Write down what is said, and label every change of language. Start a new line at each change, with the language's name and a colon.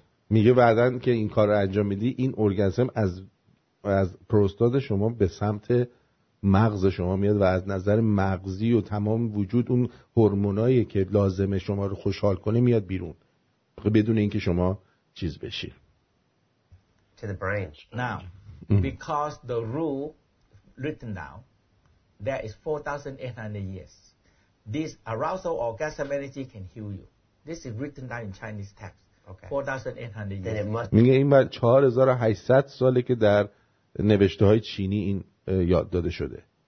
Persian: میگه بعدن که این کار رو انجام میدی این اورگاسم از پروستات شما به سمت مغز شما میاد و از نظر مغزی و تمام وجود اون هورمونایی که لازمه شما رو خوشحال کنه میاد بیرون بدون اینکه شما چیز بشی.
English: To the brain. Now, because the rule written down, there is 4,800 years. This arousal or orgasm energy can heal you. This is written down in Chinese text. Okay. 4,800 years.
Persian: میگه این بعد 4,800 ساله که در نوشته های چینی این یاد داده شده.